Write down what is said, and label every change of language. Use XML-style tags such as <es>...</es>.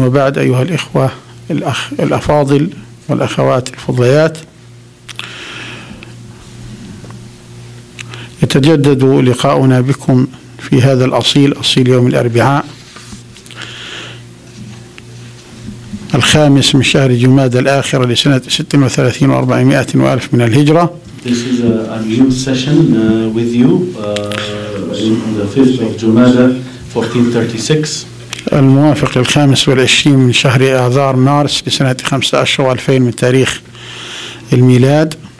<ar>وبعد، أيها الإخوة الأفاضل والأخوات الفضليات، يتجدد لقاؤنا بكم في هذا الأصيل، أصيل يوم الأربعاء الخامس من شهر جماد الآخرة لسنة 36 و400 ألف من الهجرة.</ar> <en>This is a new session with you in the 5th of جماد 1436.</en> <ar>الموافق للخامس والعشرين من شهر آذار مارس لسنة 15 و2000 من تاريخ الميلاد.</ar>